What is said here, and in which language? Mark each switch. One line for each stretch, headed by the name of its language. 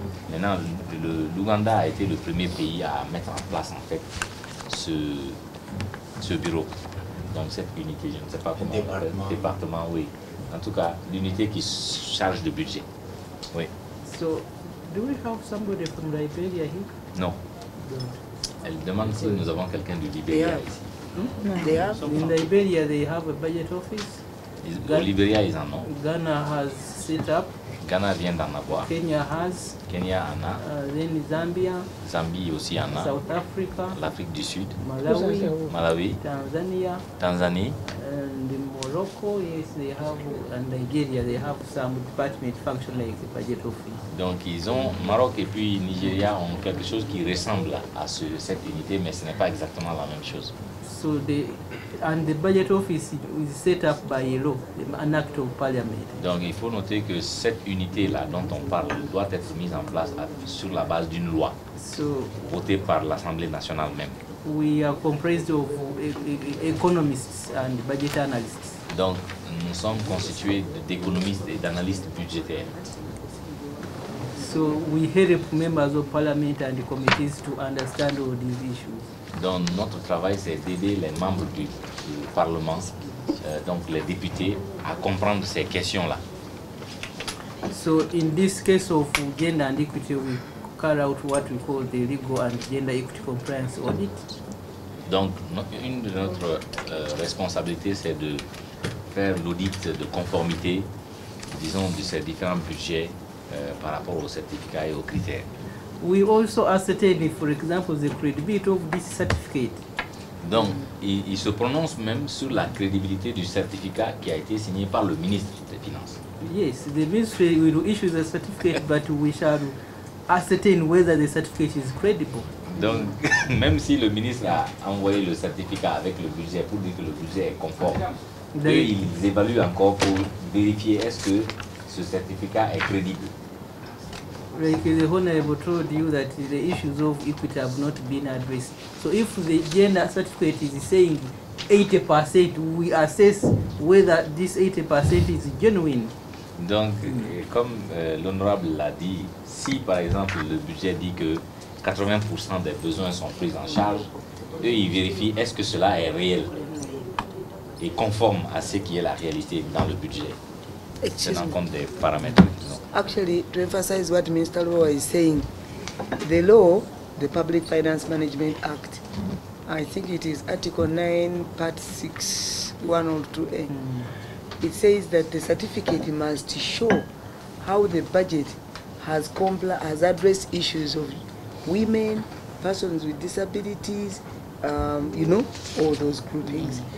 French: Maintenant, l'Ouganda a été le premier pays à mettre en place en fait ce bureau. Donc, cette unité, je ne sais pas comment. Département, oui. En tout cas, l'unité qui charge le budget. Oui.
English: So, do we have somebody from Liberia here?
French: Non. Elle demande si nous avons quelqu'un du Liberia
English: they
French: ici. Hmm?
English: They have. In Liberia, they have a budget office.
French: Au Liberia, ils en ont.
English: Ghana has set up.
French: Ghana vient d'en avoir.
English: Kenya has.
French: Kenya en a.
English: Then Zambia.
French: Zambie aussi en a.
English: South Africa.
French: L'Afrique du Sud.
English: Malawi. Tanzania. And in Morocco, yes, they have. And Nigeria, they have some department function like a budget office.
French: Donc ils ont, Maroc et puis Nigeria ont quelque chose qui ressemble à cette unité, mais ce n'est pas exactement la même chose.
English: So the budget office is set up by a law, an act of parliament.
French: Donc il faut noter que cette unité là dont on parle doit être mise en place sur la base d'une loi votée par l'Assemblée nationale même.
English: We are comprised of economists and budget analysts.
French: Donc nous sommes constitués d'économistes et d'analystes budgétaires.
English: So we help members of parliament and the committees to understand all these issues.
French: Donc notre travail c'est d'aider les membres du Parlement, donc les députés, à comprendre ces questions-là.
English: So in this case of gender and equity, we carry out what we call the legal and gender equity compliance audit.
French: Donc une de notre responsabilités c'est de faire l'audit de conformité, disons, de ces différents budgets par rapport aux certificats et aux critères.
English: We also ascertain, for example, the credibility of this certificate.
French: Donc, il se prononce même sur la crédibilité du certificat qui a été signé par le ministre des Finances.
English: Yes, the ministry will issue the certificate, but we shall ascertain whether the certificate is credible.
French: Donc, même si le ministre a envoyé le certificat avec le budget pour dire que le budget est conforme, eux, ils évaluent encore pour vérifier est-ce que ce certificat est crédible.
English: Like the Honorable told you that the issues of equity have not been addressed. So if the gender certificate is saying 80%, we assess whether this 80% is genuine.
French: Donc, comme l'honorable l'a dit, si par exemple le budget dit que 80% des besoins sont pris en charge, eux ils vérifient est-ce que cela est réel et conforme à ce qui est la réalité dans le budget, tenant compte des paramètres.
English: Actually, to emphasize what Minister Law is saying, the law, the Public Finance Management Act, I think it is Article 9, Part 6, 1 or 2A. It says that the certificate must show how the budget has has addressed issues of women, persons with disabilities, you know, all those groupings.